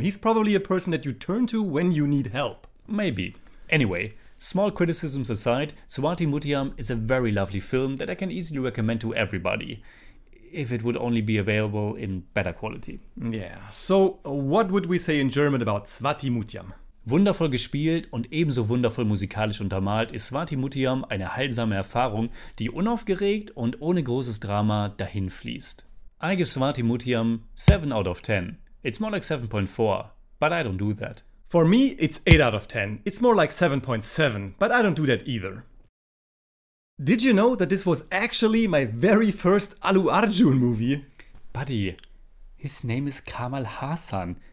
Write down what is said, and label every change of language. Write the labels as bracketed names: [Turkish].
[English] He's probably a person that you turn to when you need help. Maybe. Anyway, small criticisms aside, Swathi Muthyam is a very lovely film that I can easily recommend to everybody, if it would only be available in better quality. Yeah, so what would we say in German about Swathi Muthyam? [German] Wundervoll gespielt und ebenso wundervoll musikalisch untermalt ist Swathi Muthyam eine heilsame Erfahrung, die unaufgeregt und ohne großes Drama dahinfließt. [English] I give Swathi Muthyam 7 out of 10. It's more like 7.4, but I don't do that. For me, it's 8 out of 10. It's more like 7.7, but I don't do that either. Did you know that this was actually my very first Alu Arjun movie? Buddy, his name is Kamal Haasan.